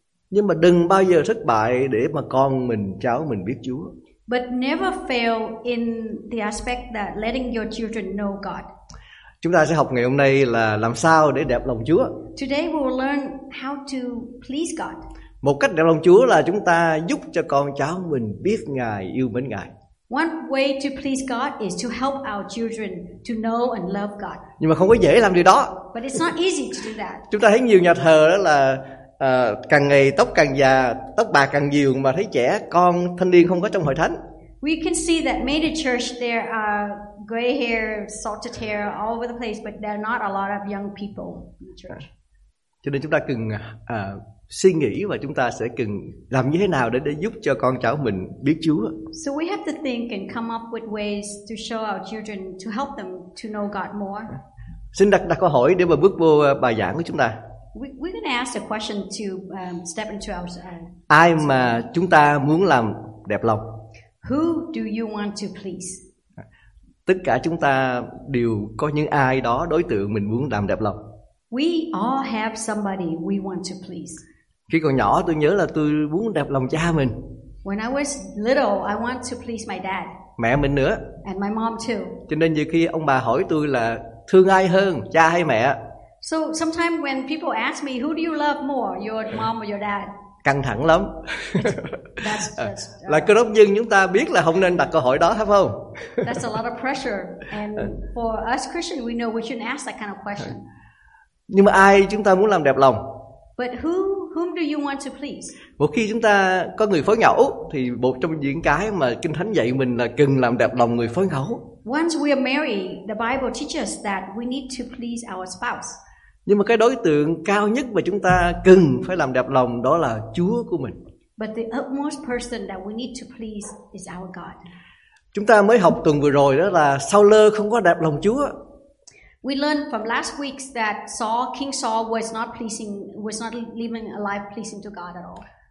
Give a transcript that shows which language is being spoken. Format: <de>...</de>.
<vi>Nhưng mà đừng bao giờ thất bại để mà con mình, cháu mình biết Chúa.</vi> <en>But never fail in the aspect that letting your children know God.</en> <vi>Chúng ta sẽ học ngày hôm nay là làm sao để đẹp lòng Chúa.</vi> <en>Today we will learn how to please God.</en> <vi>Một cách đẹp lòng Chúa là chúng ta giúp cho con cháu mình biết Ngài, yêu mến Ngài.</vi> <en>One way to please God is to help our children to know and love God.</en> <vi>Nhưng mà không có dễ làm điều đó.</vi> <en>But it's not easy to do that.</en> <vi>Chúng ta thấy nhiều nhà thờ đó là càng ngày tóc càng già, tóc bạc càng nhiều mà thấy trẻ con thanh niên không có trong hội thánh.</vi> <en>We can see that many church there are gray hair, salted hair all over the place, but there are not a lot of young people in the church.</en> <vi>Cho nên chúng ta cần suy nghĩ và chúng ta sẽ cần làm như thế nào để giúp cho con cháu mình biết Chúa.</vi> <en>So we have to think and come up with ways to show our children to help them to know God more.</en> <vi>Xin đặt câu hỏi để mà bước vô bài giảng của chúng ta.</vi> <en>We're going to ask a question to step into our.</en> <vi>Ai mà chúng ta muốn làm đẹp lòng?</vi> <en>Who do you want to please?</en> <vi>Tất cả chúng ta đều có những ai đó đối tượng mình muốn làm đẹp lòng.</vi> <en>We all have somebody we want to please.</en> <vi>Khi còn nhỏ tôi nhớ là tôi muốn đẹp lòng cha mình.</vi> <en>When I was little, I want to please my dad.</en> <vi>Mẹ mình nữa.</vi> <en>And my mom too.</en> <vi>Cho nên nhiều khi ông bà hỏi tôi là thương ai hơn, cha hay mẹ?</vi> <en>So sometimes when people ask me who do you love more, your mom or your dad?</en> <vi>Căng thẳng lắm.</vi> <en>That's just,</en> <vi>là Cơ đốc nhân chúng ta biết là không nên đặt câu hỏi đó, phải không?</vi> <en>That's a lot of pressure, and for us Christians, we know we shouldn't ask that kind of question.</en> <vi>Nhưng mà ai chúng ta muốn làm đẹp lòng?</vi> <en>But whom do you want to please?</en> <vi>Một khi chúng ta có người phối ngẫu thì một trong những cái mà Kinh Thánh dạy mình là cần làm đẹp lòng người phối ngẫu.</vi> <en>Once we are married, the Bible teaches that we need to please our spouse.</en> <vi>Nhưng mà cái đối tượng cao nhất mà chúng ta cần phải làm đẹp lòng đó là Chúa của mình.</vi> <en>But the utmost person that we need to please is our God.</en> <vi>Chúng ta mới học tuần vừa rồi đó là Saul không có đẹp lòng Chúa.</vi> <en>We learned from last week that Saul, King Saul was not living a life pleasing to God at all.</en>